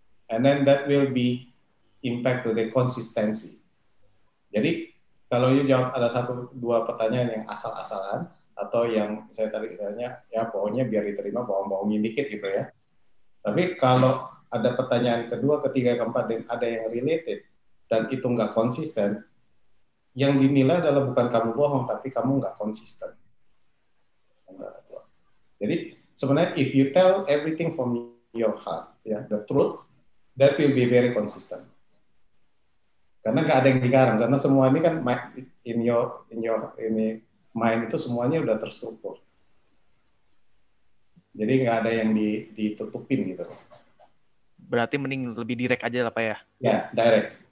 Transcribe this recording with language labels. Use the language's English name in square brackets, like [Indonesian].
[English] And then that will be impact to the consistency. [Indonesian] Jadi kalau you jawab ada satu dua pertanyaan yang asal-asalan atau yang saya tadi katanya ya pokoknya biar diterima bohong-bohongin dikit gitu ya. Tapi kalau ada pertanyaan kedua, ketiga, keempat dan ada yang related dan itu nggak konsisten, yang dinilai adalah bukan kamu bohong tapi kamu nggak konsisten. Jadi sebenarnya [English] if you tell everything from your heart, yeah, the truth, that will be very consistent. [Indonesian] Karena nggak ada yang digarang, karena semua ini kan [English] in your [Indonesian] ini mind itu semuanya udah terstruktur. Jadi nggak ada yang ditutupin gitu. Berarti mending lebih direct aja lah, Pak ya? Ya, yeah, direct.